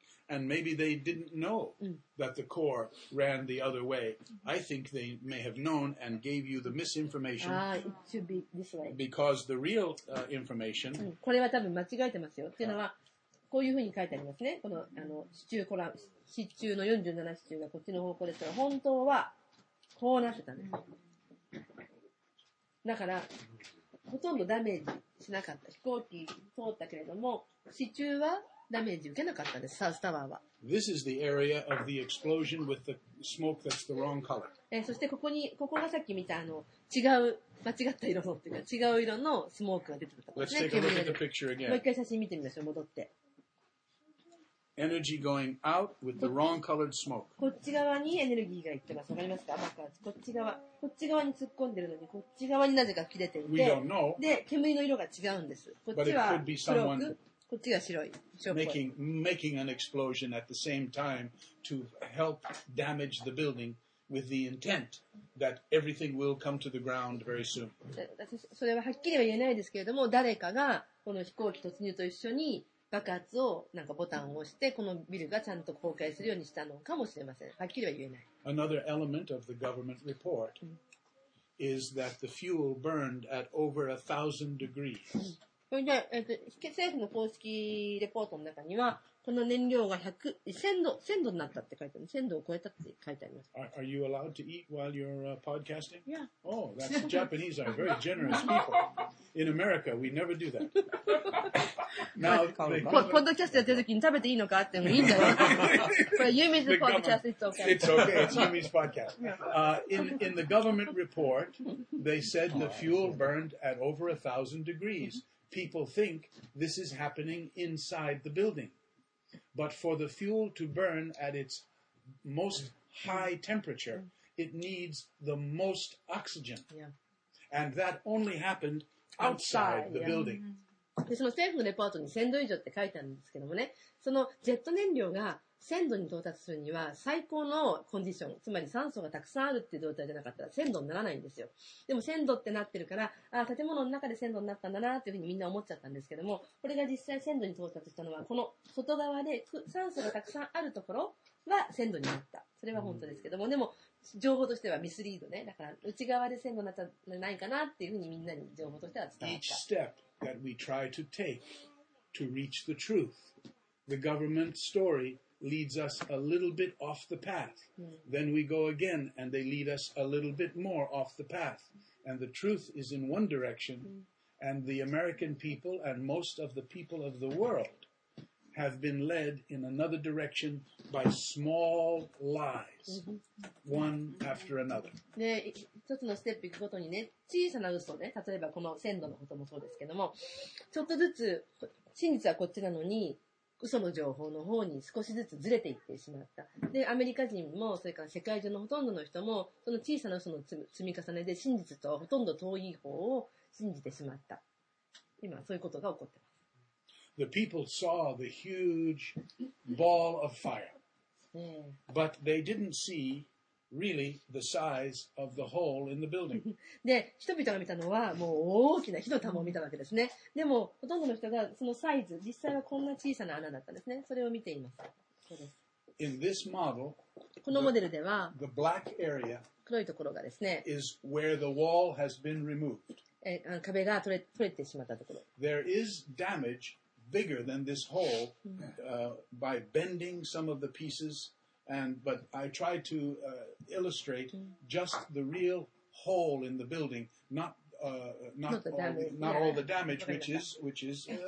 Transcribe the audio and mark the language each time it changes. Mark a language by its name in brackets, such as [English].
[English] And maybe they didn't know that the core ran the other way. I think they may have known and gave you the misinformation. It should be this way. Because the real information... [Japanese] これは多分間違えてますよ。っていうのは、こういうふうに書いてありますね。この、あの、支柱コラム、支柱の47支柱がこっちの方向ですから、本当はこうなってたんです。だから、ほとんどダメージしなかった。飛行機通ったけれども、支柱はダメージ受けなかったです、サウスタワーは。 [English] This is the area of the explosion with the smoke that's the wrong color. [Japanese] そしてここに、ここがさっき見た、あの、違う、間違った色のっていうか、違う色のスモークが出てた、ね。 [English] Let's take a look at the picture again. [Japanese] もう一回写真見てみましょう、戻って。 [English] Energy going out with the wrong colored smoke. [Japanese] こっち側にエネルギーが行ってます。わかりますか？爆発。こっち側。こっち側に突っ込んでるのに、こっち側になぜか切れていて。 [English] We don't know. [Japanese] で、煙の色が違うんです。こっちは黒く、こっちが白い。 [English] Making an explosion at the same time to help damage the building with the intent that everything will come to the ground very soon. [Japanese] それははっきりは言えないですけれども、誰かがこの飛行機突入と一緒に爆発をなんかボタンを押してこのビルがちゃんと崩壊するようにしたのかもしれません。はっきりは言えない。 [English] Another element of the government report is that the fuel burned at over 1,000 degrees. [Japanese] それで、政府の公式レポートの中にはこの燃料が1000度になったって書いてある。 1000度を超えたって書いてあります。 [English] Are you allowed to eat while you're podcasting? Yeah. Oh, that's the Japanese are very generous people. In America, we never do that. Now, [Japanese] ポッドキャストやってる時に食べていいのかってもいいんじゃない？これ、 [English] Yumi's podcast, it's okay. It's okay, it's Yumi's podcast. In the government report, they said the fuel burned at over 1,000 degrees. People think this is happening inside the building. But for the fuel to burn at its most high temperature, it needs the most oxygen. And that only happened outside the building. [Japanese] で、その政府のレポートに1000度以上って書いてあるんですけどもね、そのジェット燃料が1000度に到達するには最高のコンディション、つまり酸素がたくさんあるっていう状態じゃなかったら1000度にならないんですよ。でも1000度ってなってるから、ああ、建物の中で1000度になったんだなっていうふうにみんな思っちゃったんですけども、これが実際1000度に到達したのは、この外側で酸素がたくさんあるところは1000度になった。それは本当ですけども、でも情報としてはミスリードね。だから内側で1000度になったんじゃないかなっていうふうにみんなに情報としては伝わった。 [English] Each step that we try to take to reach the truth, the government storyleads us a little bit off the path. Then we go again and they lead us a little bit more off the path. And the truth is in one direction and the American people and most of the people of the world have been led in another direction by small lies, one after another. [Japanese] で、一つのステップ行くごとにね、小さな嘘ね、例えばこの線路のこともそうですけども、ちょっとずつ真実はこっちなのに、嘘の情報の方に少しずつずれていってしまった。で、アメリカ人も、それから世界中のほとんどの人も、その小さな嘘の積み重ねで真実とはほとんど遠い方を信じてしまった。今、そういうことが起こっています。 [English] The people saw the huge ball of fire. But they didn't see really the size of the hole in the building. [Japanese] で、人々が見たのはもう大きな火の玉を見たわけですね。でも、ほとんどの人がそのサイズ、実際はこんな小さな穴だったんですね。それを見ています。そうです。 [English] In this model, [Japanese] このモデルでは、 [English] the black area [Japanese] 黒いところがですね、 [English] is where the wall has been removed. [Japanese] 壁が取れてしまったところ。 [English] There is damage bigger than this hole, by bending some of the pieces. But I tried to illustrate just the real hole in the building, not all the damage, which is.